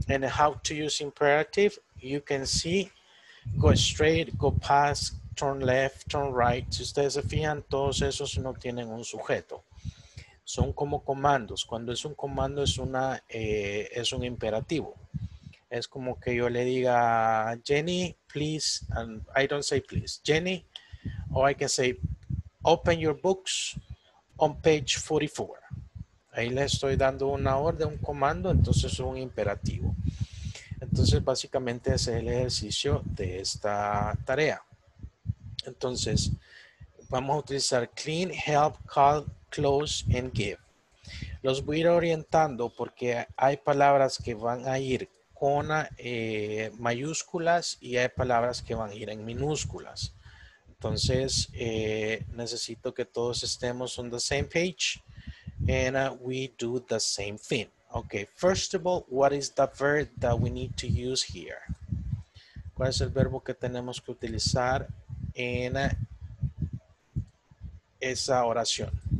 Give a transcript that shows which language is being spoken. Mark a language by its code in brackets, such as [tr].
[en] And how to use imperative, you can see, go straight, go past, turn left, turn right. [es] Si ustedes se fijan, todos esos no tienen un sujeto. Son como comandos. Cuando es un comando es una es un imperativo. Es como que yo le diga [en] Jenny, please, and I don't say please, Jenny, or I can say open your books on page 44. [es] Ahí le estoy dando una orden, un comando, entonces es un imperativo. Entonces básicamente ese es el ejercicio de esta tarea. Entonces vamos a utilizar clean, help, call, close and give. Los voy a ir orientando porque hay palabras que van a ir con mayúsculas y hay palabras que van a ir en minúsculas. Entonces necesito que todos estemos [en] on the same page and we do the same thing. Okay, first of all, what is the verb that we need to use here? [es] ¿Cuál es el verbo que tenemos que utilizar en esa oración?